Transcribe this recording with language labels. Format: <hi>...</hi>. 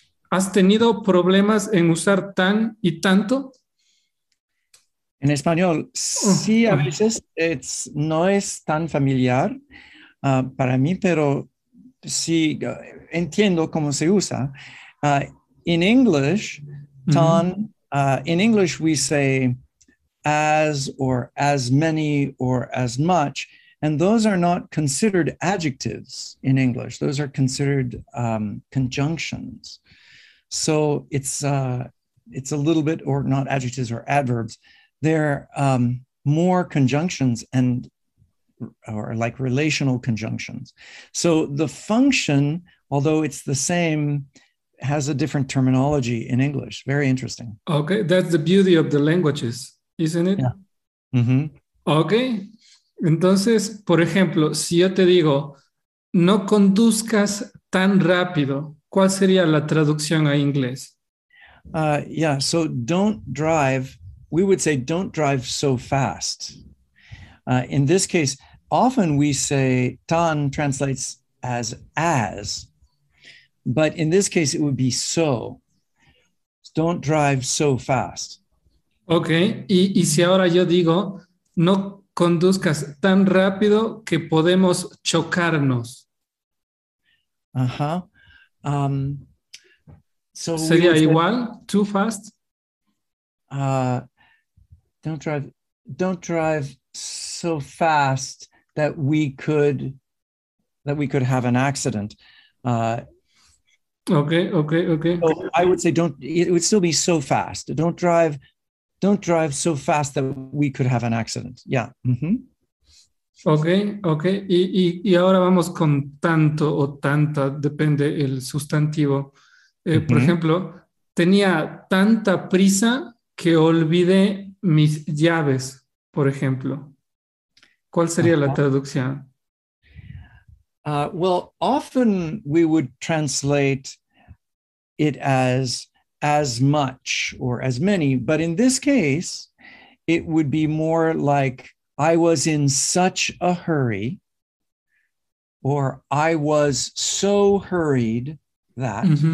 <es>¿Has tenido problemas en usar tan y tanto? En español, sí, a veces no es tan familiar para mí, pero sí entiendo cómo se usa.</es> <en>In English, tan, in English we say as or as many or as much, and those are not considered adjectives in English. Those are considered conjunctions. So it's a little bit, or not adjectives or adverbs. They're more conjunctions and or like relational conjunctions. So the function, although it's the same, has a different terminology in English. Very interesting. Okay, that's the beauty of the languages, isn't it? Yeah. Okay.</en> <es>Entonces, por ejemplo, si yo te digo, no conduzcas tan rápido, ¿cuál sería la traducción a inglés?</es> <en>Yeah, so don't drive. We would say, don't drive so fast. In this case, often we say, tan translates as. But in this case, it would be so. Don't drive so fast. Okay.</en> <es>Y si ahora yo digo, no conduzcas tan rápido que podemos chocarnos. Uh-huh.</es> <en>So</en> <es>¿sería igual?</es> <en>Too fast? Don't drive so fast that we could have an accident. Okay. So I would say it would still be so fast. Don't drive so fast that we could have an accident. Yeah.</en> <es>Mm-hmm. Okay. Y ahora vamos con tanto o tanta, depende el sustantivo. Por ejemplo, tenía tanta prisa que olvidé mis llaves, por ejemplo. ¿Cuál sería la traducción?</es> <en>Well, often we would translate it as much or as many, but in this case, it would be more like I was in such a hurry, or I was so hurried that.</en>